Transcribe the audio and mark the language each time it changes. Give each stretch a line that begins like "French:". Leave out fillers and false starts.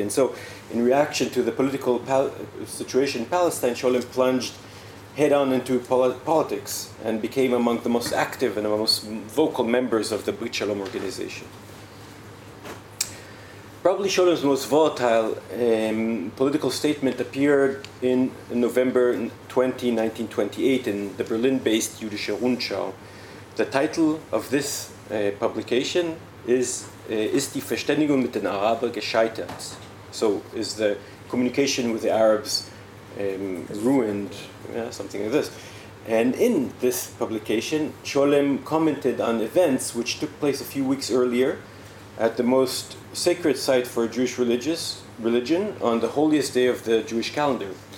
English: And so in reaction to the political situation in Palestine, Scholem plunged head on into politics and became among the most active and the most vocal members of the B'rit Shalom organization. Probably Scholem's most volatile political statement appeared in November 20, 1928 in the Berlin-based Jüdische Rundschau. The title of this publication is
German: Ist die Verständigung mit den Araber gescheitert?
English: So is the communication with the Arabs ruined? Yeah, something like this. And in this publication, Scholem commented on events which took place a few weeks earlier at the most sacred site for a Jewish religion on the holiest day of the Jewish calendar.